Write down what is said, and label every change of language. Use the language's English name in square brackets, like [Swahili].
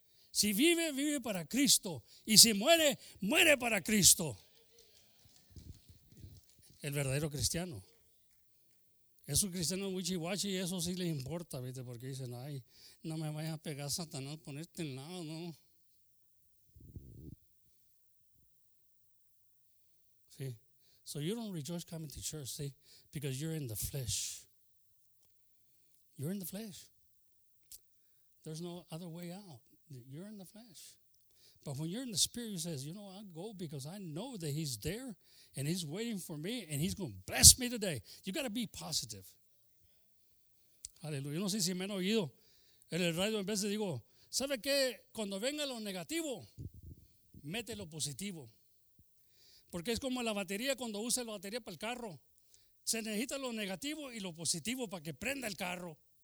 [Spanish] Si vive, vive para Cristo. Y si muere, muere para Cristo. El verdadero cristiano. Esos cristianos wichi-wachi, eso sí les importa, ¿viste? Porque dicen, ay, no me vayas a pegar a Satanás, ponerte en lado, ¿no? Sí. [English] So you don't rejoice coming to church, see, because you're in the flesh. You're in the flesh. There's no other way out. You're in the flesh. But when you're in the spirit, you say, you know, I'll go because I know that he's there and he's waiting for me and he's going to bless me today. You got to be positive. [Spanish] Hallelujah. No sé si me han oído en el radio, en vez de digo, ¿sabe qué? Cuando venga lo negativo, mete lo positivo. Porque es como la batería, cuando usa la batería para el carro. Se necesita lo negativo y lo positivo para que prenda el carro.